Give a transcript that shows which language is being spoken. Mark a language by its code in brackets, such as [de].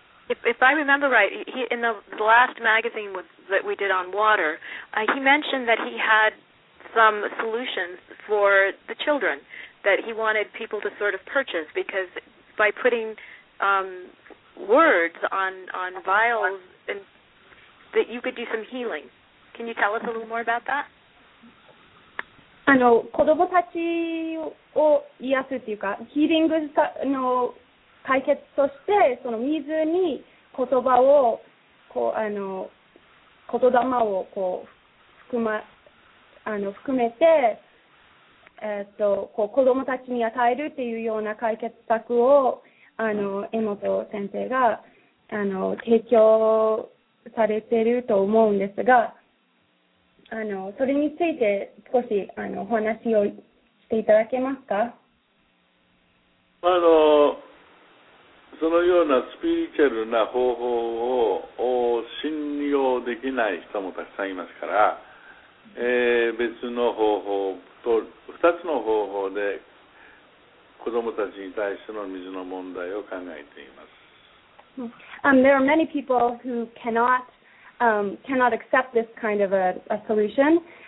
[en] If I remember right, he, in the last magazine with, that we did on water, he mentioned that he had some solutions for the children that he wanted people to sort of purchase, because by putting words on vials, and that you could do some healing. Can you tell us a little more about that? [ja] あの、子供たちを癒すっていうか、ヒーリングの解決として、その水に言葉を、こう、あの、言霊をこう、含めて、こう、子供たちに与えるっていうような解決策を、あの、江本先生が、あの、提供されてると思うんですが、あの、それについて少し、あの、お話をしていただけますか？あの、そのようなスピリチュアルな方法を信用できない人もたくさんいますから、別の方法と2つの方法で子どもたちに対しての水の問題を考えています。 [en] There are many people who cannot accept this kind of a solution.